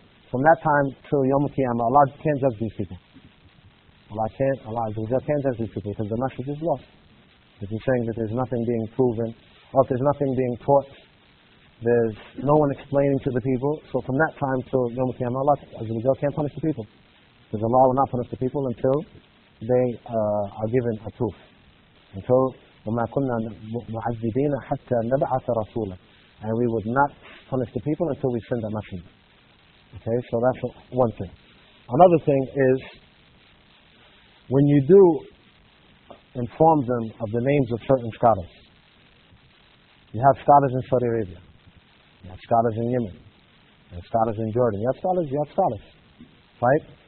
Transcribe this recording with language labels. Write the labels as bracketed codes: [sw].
[en] From that time to Yawm al-Qiyamah, Allah can't judge these people. Allah can't judge these people because the message is lost. If you're saying that there's nothing being proven, or if there's nothing being taught, there's no one explaining to the people, so from that time to Yawm al-Qiyamah, Allah can't punish the people. Because Allah will not punish the people until they are given a proof. Until [ar] وَمَا كُنَّا مُعَذِّبِينَ حَتَّى نَبْعَثَ رَسُولًا. [en] And we would not punish the people until we send a messenger. Okay, so that's one thing. Another thing is, when you do inform them of the names of certain scholars, you have scholars in Saudi Arabia, you have scholars in Yemen, you have scholars in Jordan, you have scholars. Right?